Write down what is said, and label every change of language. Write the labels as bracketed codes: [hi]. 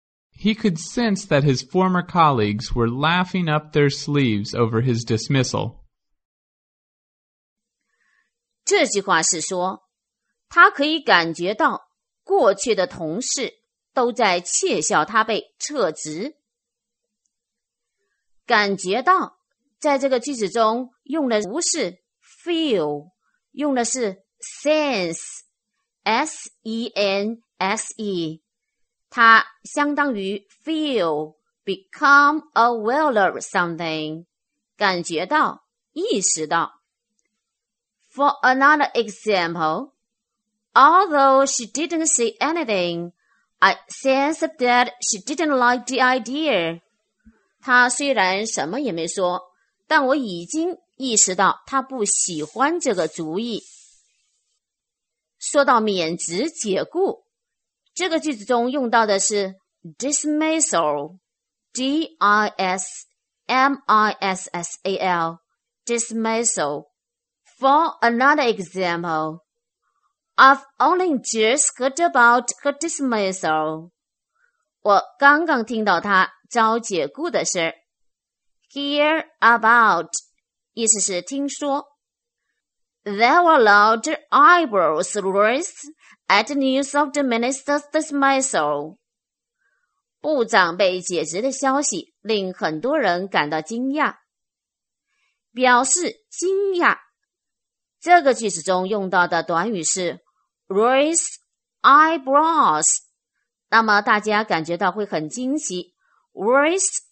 [en] He could sense that his former colleagues were laughing up their sleeves over his dismissal。 [zh] 这句话是说，他可以感觉到过去的同事都在窃笑他被撤职。感觉到，在这个句子中用的不是 feel， 用的是 sense，S-E-N-S-E， 它相当于 feel， [en] become aware of something， [zh] 感觉到，意识到。 [en] For another example, although she didn't say anything, I sensed that she didn't like the idea. [zh] 她虽然什么也没说，但我已经意识到她不喜欢这个主意。说到免职解雇，这个句子中用到的是 dismissal, D-I-S-M-I-S-S-A-L, dismissal. [en] For another example, I've only just heard about her dismissal. [zh] 我刚刚听到她遭解雇的事。 [en] Hear about, [zh] 意思是听说。 [en] There were loud eyebrows raised at the news of the minister's dismissal. [zh] 部长被解职的消息令很多人感到惊讶。表示惊讶。这个句子中用到的短语是 [en] raise eyebrows， [zh] 那么大家感觉到会很惊奇， raise